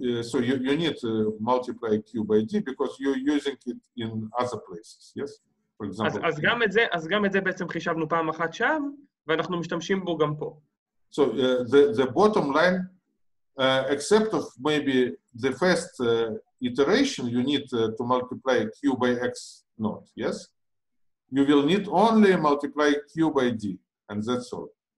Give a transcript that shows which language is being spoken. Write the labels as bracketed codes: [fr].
[en] So you need to multiply Q by D because you're using it in other places, yes? For example. [he] אז גם את זה בעצם חישבנו פעם אחת שם, ואנחנו משתמשים בו גם פה. [en] So the bottom line, except of maybe the first... iteration, you need to multiply Q by X naught, yes? You will need only multiply Q by D, and that's all.